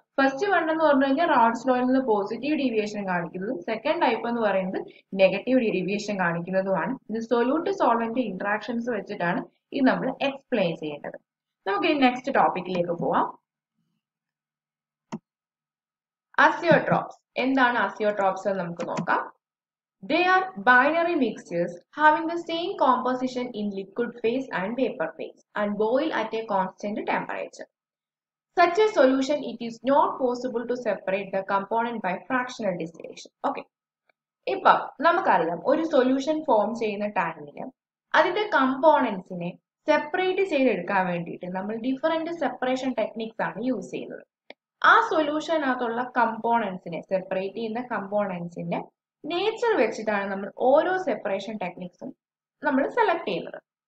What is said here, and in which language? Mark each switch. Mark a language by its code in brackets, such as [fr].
[ml] First one എന്ന് പറഞ്ഞു കഴിഞ്ഞാൽ റോഡ്സ് ലോയിൽ നിന്ന് പോസിറ്റീവ് ഡീവിയേഷൻ കാണിക്കുന്നതും സെക്കൻഡ് ടൈപ്പ് എന്ന് പറയുന്നത് നെഗറ്റീവ് ഡീവിയേഷൻ കാണിക്കുന്നതുമാണ്. ഇത് സൊല്യൂട്ട് സോൾവെന്റ് ഇന്ററാക്ഷൻസ് വെച്ചിട്ടാണ് ഇത് നമ്മൾ എക്സ്പ്ലെയിൻ ചെയ്യേണ്ടത്. നമുക്ക് ഈ നെക്സ്റ്റ് ടോപ്പിക്കിലേക്ക് പോവാം. അസിയോട്രോപ്സ്, എന്താണ് അസിയോട്രോപ്സ് എന്ന് നമുക്ക് നോക്കാം. [en] They are binary mixtures having the same composition in liquid phase and vapor phase and boil at a constant temperature. Such a solution, it is not possible to separate the component by fractional distillation. Okay. [ml] ഇപ്പോൾ നമുക്കറിയാം ഒരു solution form ചെയ്യുന്ന ടാങ്കിൽ അതിന്റെ കമ്പോണൻസിനെ separate ചെയ്തെടുക്കാൻ വേണ്ടിയിട്ട് നമ്മൾ different separation techniques ആണ് യൂസ് ചെയ്യുന്നത്. ആ സൊല്യൂഷനകത്തുള്ള കമ്പോണൻസിനെ സെപ്പറേറ്റ് ചെയ്യുന്ന കമ്പോണൻസിന്റെ നേച്ചർ വെച്ചിട്ടാണ് നമ്മൾ ഓരോ സെപ്പറേഷൻ ടെക്നിക്സും നമ്മൾ സെലക്ട് ചെയ്യുന്നത്.